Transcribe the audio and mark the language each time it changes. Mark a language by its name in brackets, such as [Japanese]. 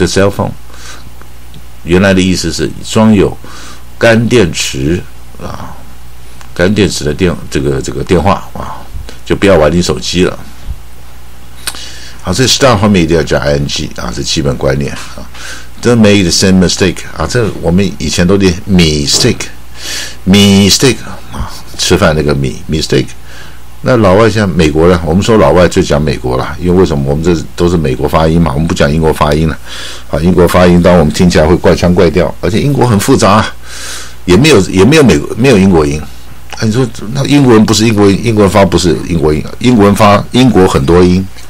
[Chinese] 这 cell phone 原来的意思是装有干电池啊，干电池的这个电话啊，就不要玩你手机了。好，这 start 后面一定要加 ing 啊，这基本观念啊。 [English] Don't make the same mistake [Chinese] 啊，这我们以前都念 mistake 啊，吃饭那个 mistake。那老外像美国呢，我们说老外就讲美国了，因为什么？我们这都是美国发音嘛，我们不讲英国发音了。啊，英国发音当我们听起来会怪腔怪调，而且英国很复杂，也没有美国没有英国音。啊，你说那英国人不是英国音，英国人发不是英国音，英国人发英国很多音。